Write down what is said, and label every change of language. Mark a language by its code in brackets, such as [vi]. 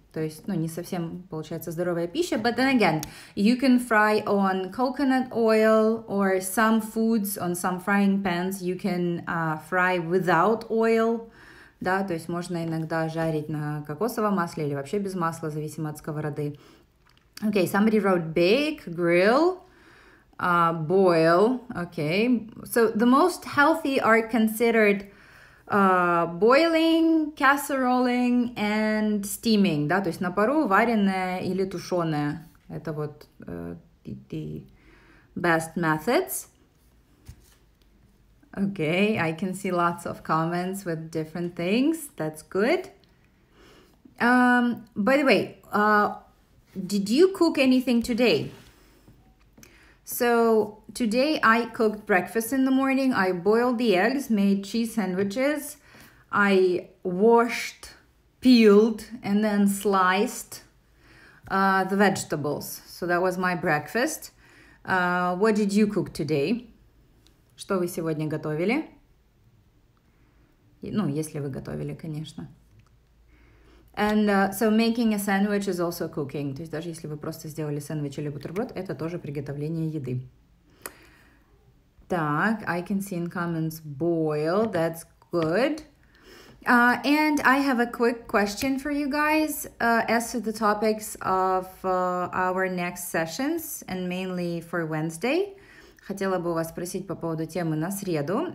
[ru] То есть, ну, не совсем получается здоровая пища. [en] But then again, you can fry on coconut oil or some foods on some frying pans. You can fry without oil. [ru] Да, то есть можно иногда жарить на кокосовом масле или вообще без масла, зависимо от сковороды. [en] Okay, somebody wrote bake, grill. Boil, okay. So the most healthy are considered boiling, casseroling, and steaming, да, [ru] то есть на пару вареное или тушеное. Это вот [en] the best methods. Okay, I can see lots of comments with different things. That's good. By the way, did you cook anything today? So today I cooked breakfast in the morning. I boiled the eggs, made cheese sandwiches. I washed, peeled, and then sliced the vegetables. So that was my breakfast. What did you cook today? [ru] Что вы сегодня готовили? Ну, если вы готовили, конечно. [en] And so making a sandwich is also cooking. [ru] То есть даже если вы просто сделали сэндвич или бутерброд, это тоже приготовление еды. Так, [en] I can see in comments boil. That's good. And I have a quick question for you guys as to the topics of our next sessions and mainly for Wednesday. [ru] Хотела бы у вас спросить по поводу темы на среду.